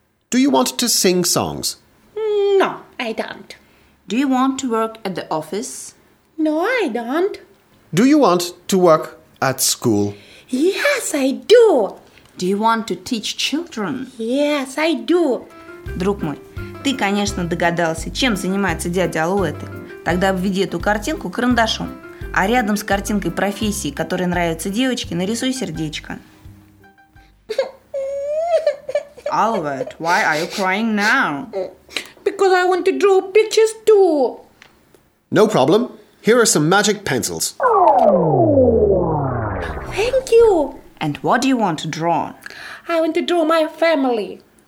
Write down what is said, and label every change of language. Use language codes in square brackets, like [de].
[en] Do you want to sing songs? No, I don't. Do you want to work at the office? No, I don't. Do you want to work at school? Yes, I do. Do you want to teach children? Yes, I do. [ru] Друг мой, ты, конечно, догадался, чем занимается дядя Алуэта. Тогда обведи эту картинку карандашом. А рядом с картинкой профессии, которая нравится девочке, нарисуй сердечко. [en] Albert, why are you crying now? Because I want to draw pictures too. No problem. Here are some magic pencils. Thank you. And what do you want to draw? I want to draw my family.